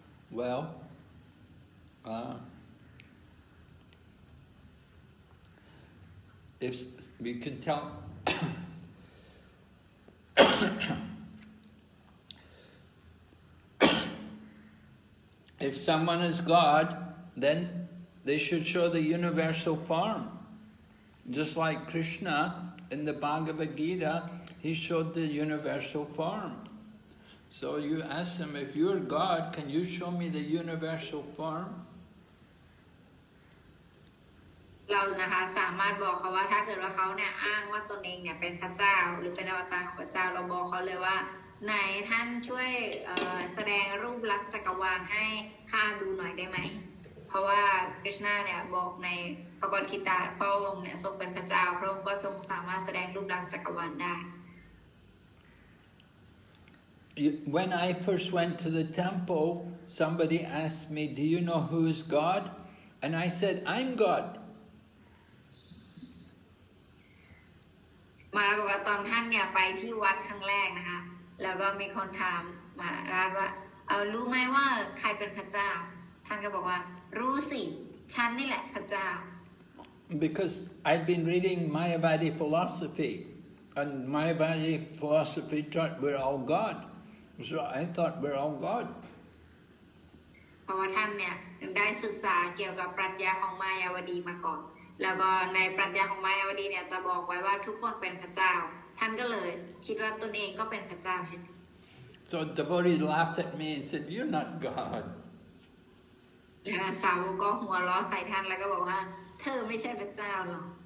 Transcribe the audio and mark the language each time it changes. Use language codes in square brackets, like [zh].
[en] Well, if we can tell if someone is God, then they should show the universal form. Just like Krishna in the Bhagavad Gita, he showed the universal form. So you ask him, if you're God, can you show me the universal form? [th] เรานะคะสามารถบอกเขาว่าถ้าเกิดว่าเขาเนี่ยอ้างว่าตนเองเนี่ยเป็นพระเจ้าหรือเป็นอวตารของพระเจ้าเราบอกเขาเลยว่าไหนท่านช่วยแสดงรูปลักษณ์จักรวาลให้ข้าดูหน่อยได้ไหมเพราะว่าคริสนาเนี่ยบอกในพระบทกิตาพระองค์เนี่ยทรงเป็นพระเจ้าพระองค์ก็ทรงสามารถแสดงรูปลักษณ์จักรวาลได้ [en] When I first went to the temple, somebody asked me, "Do you know who is God?" And I said, "I'm God." [th] มาบอกว่าตอนท่านเนี่ยไปที่วัดครั้งแรกนะคะแล้วก็มีคนถามมาว่าเอารู้ไหมว่าใครเป็นพระเจ้าท่านก็บอกว่ารู้สิฉันนี่แหละพระเจ้า [en] because I'd been reading Mayavadi philosophy and Mayavadi philosophy taught we're all God so I thought we're all God [th] เพราะว่าท่านเนี่ยได้ศึกษาเกี่ยวกับปรัชญาของมายาวดีมาก่อนแล้วก็ในปรัชญาของมายาวดีเนี่ยจะบอกไว้ว่าทุกคนเป็นพระเจ้าท่านก็เลยคิดว่าตนเองก็เป็นพระเจ้าเช่น [en] So devotees laughed at me and said you're not God [th] สาวก็หัวล้อใส่ท่านแล้วก็บอกว่าเธอไม่ใช่พระเจ้าหรอก